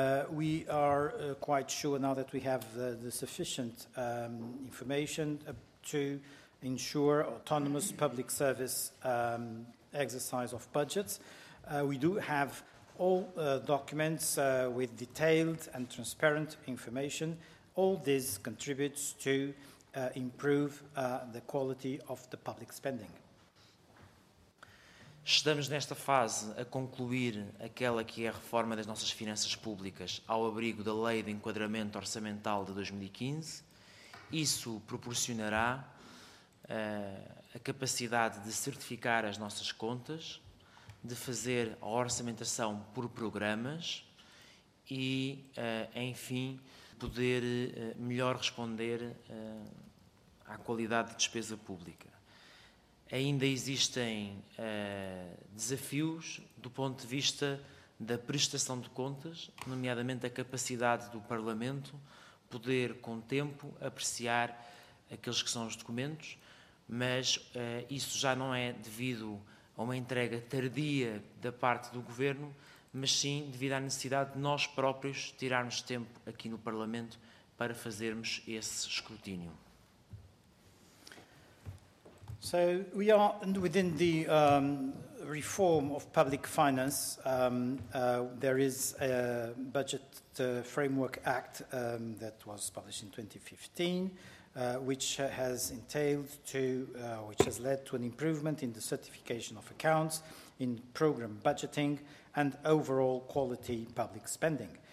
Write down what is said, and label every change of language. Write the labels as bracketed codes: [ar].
[en] We are quite sure now that we have the sufficient information to ensure autonomous public service exercise of budgets. We do have all documents with detailed and transparent information. All this contributes to improve the quality of the public spending. [pt] Estamos nesta fase a concluir aquela que é a reforma das nossas finanças públicas ao abrigo da Lei de Enquadramento Orçamental de 2015. Isso proporcionará a capacidade de certificar as nossas contas, de fazer a orçamentação por programas e, enfim, poder melhor responder à qualidade de despesa pública. Ainda existem desafios do ponto de vista da prestação de contas, nomeadamente a capacidade do Parlamento poder, com tempo, apreciar aqueles que são os documentos, mas isso já não é devido a uma entrega tardia da parte do Governo, mas sim devido à necessidade de nós próprios tirarmos tempo aqui no Parlamento para fazermos esse escrutínio. [en] So we are within the reform of public finance. There is a Budget Framework Act that was published in 2015, which has entailed to, which has led to an improvement in the certification of accounts, in program budgeting, and overall quality public spending.